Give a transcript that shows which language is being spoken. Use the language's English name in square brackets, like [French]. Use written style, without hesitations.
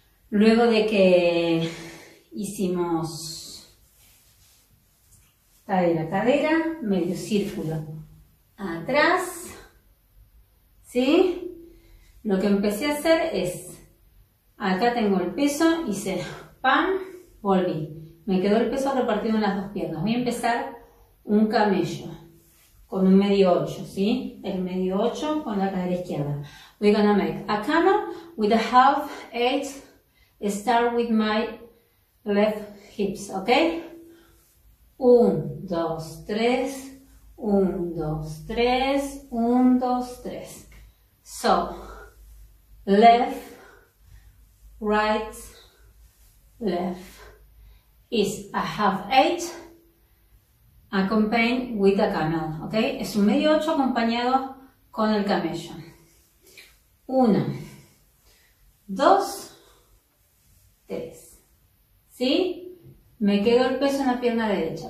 [Spanish] Luego de que hicimos cadera, cadera, medio círculo atrás, ¿sí? Lo que empecé a hacer es, acá tengo el peso, hice pam, volví. Me quedó el peso repartido en las dos piernas. Voy a empezar un camello con un medio 8, ¿sí? El medio 8 con la cadera izquierda. [English] We're gonna make a camel with a half 8. Start with my left hips, ¿ok? 1, 2, 3. 1, 2, 3. 1, 2, 3. So, left, right, left. It's a half eight accompanied with a camel, ¿ok? [Spanish] Es un medio ocho acompañado con el camello. Uno, dos, tres. ¿Sí? Me quedo el peso en la pierna derecha.